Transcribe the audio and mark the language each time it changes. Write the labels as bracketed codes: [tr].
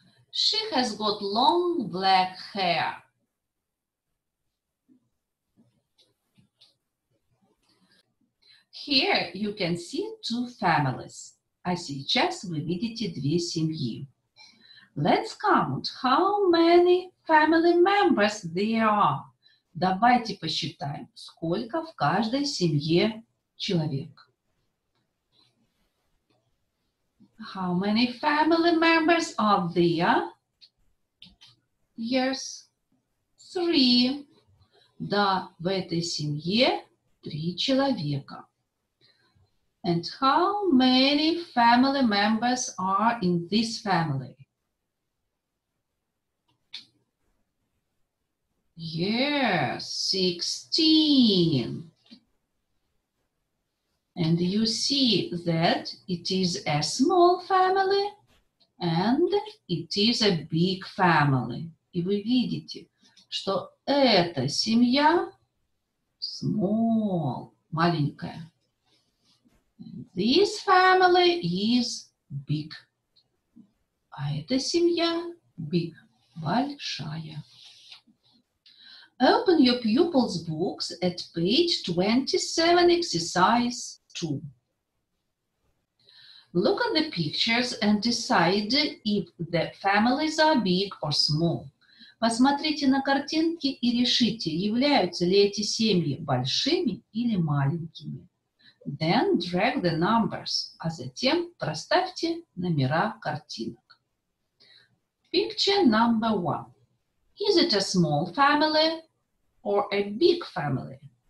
[en] She has got long black hair. Here you can see two families. [ru] А сейчас вы видите две семьи. [en] Let's count how many family members there are. [ru] Давайте посчитаем, сколько в каждой семье человек. [en] How many family members are there? Yes, three. [ru] Да, в этой семье три человека. [en] And how many family members are in this family? Yes, 16. And you see that it is a small family and it is a big family. [ru] И вы видите, что эта семья small, маленькая. [en] This family is big. [ru] А эта семья big, большая. [en] Open your pupils' books at page 27, exercise 2. Look at the pictures and decide if the families are big or small. [ru] Посмотрите на картинки и решите, являются ли эти семьи большими или маленькими. [en] Then drag the numbers, [ru] а затем проставьте номера картинок. [en] Picture number one. Is it a small family or a big family?